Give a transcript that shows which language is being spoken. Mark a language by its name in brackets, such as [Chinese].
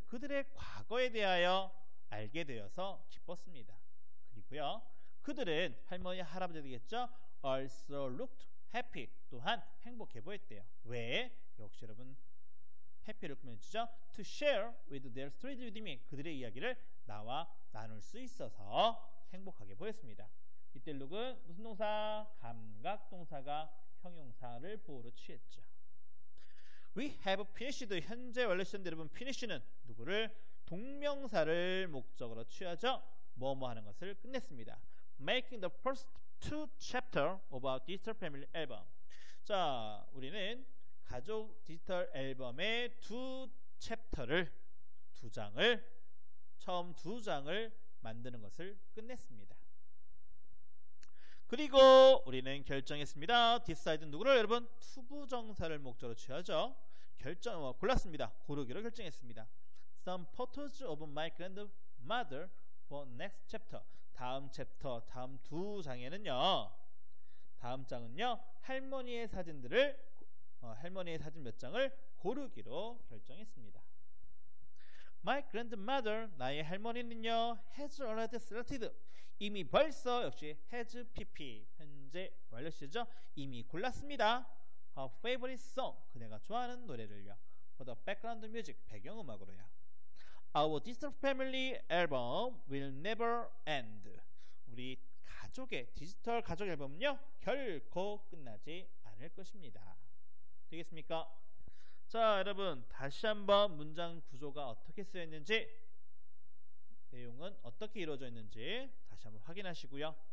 [Korean] 그들의 과거에 대하여 알게 되어서 기뻤습니다. 그리고요, 그들은 할머니, 할아버지 되겠죠? [English] Also looked happy. [Korean] 또한 행복해 보였대요. 왜? 역시 여러분, 해피를 꾸며주죠. [English] To share with their stories with me. [Korean] 그들의 이야기를 나와 나눌 수 있어서 행복하게 보였습니다. 이때 룩은 무슨 동사? 감각 동사가 형용사를 보호로 취했죠. [English] We have finished. [Korean] 현재 완료 시점인데 여러분, finish는 누구를? 동명사를 목적으로 취하죠. 뭐뭐 하는 것을 끝냈습니다. [English] Making the first two chapters about digital family album. [Korean] 자, 우리는 가족 디지털 앨범의 두 챕터를, 두 장을, 처음 두 장을 만드는 것을 끝냈습니다. 그리고 우리는 결정했습니다. Decide 누구를 여러분? 투부정사를 목적으로 취하죠. 골랐습니다. 고르기로 결정했습니다. [English] Some photos of my grandmother for next chapter. [Korean] 다음 챕터, 다음 두 장에는요. 다음 장은요. 할머니의 사진들을 할머니의 사진 몇 장을 고르기로 결정했습니다. [English] My grandmother, [Korean] 나의 할머니는요, [English] has already selected. [Korean] 이미 벌써, 역시 has PP, 현재 완료 시제죠? 이미 골랐습니다. [English] Her favorite song, [Korean] 그녀가 좋아하는 노래를요. [English] For the background music, [Korean] 배경음악으로요. [English] Our digital family album will never end. [Korean] 우리 가족의, 디지털 가족 앨범은요, 결코 끝나지 않을 것입니다. 되겠습니까? 자, 여러분, 다시 한번 문장 구조가 어떻게 쓰였는지, 내용은 어떻게 이루어져 있는지 다시 한번 확인하시고요.